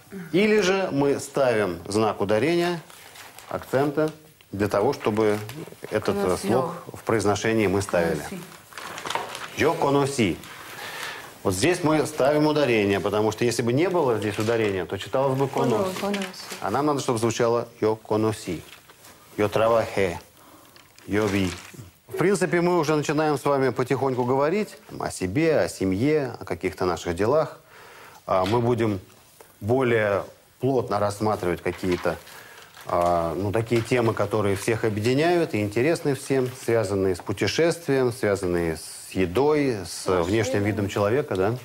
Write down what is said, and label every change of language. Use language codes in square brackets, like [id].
[ru] Или же мы ставим знак ударения, акцента, для того, чтобы этот слог в произношении мы ставили. [es] Yo conocí. [ru] Вот здесь мы ставим ударение, потому что если бы не было здесь ударения, то читалось бы «конос». А нам надо, чтобы звучало [es] «yo conocí», «yo trabajé», «yo vi». [ru] В принципе, мы уже начинаем с вами потихоньку говорить о себе, о семье, о каких-то наших делах. Мы будем более плотно рассматривать какие-то, ну, такие темы, которые всех объединяют и интересны всем, связанные с путешествием, связанные с едой, с внешним видом человека, да?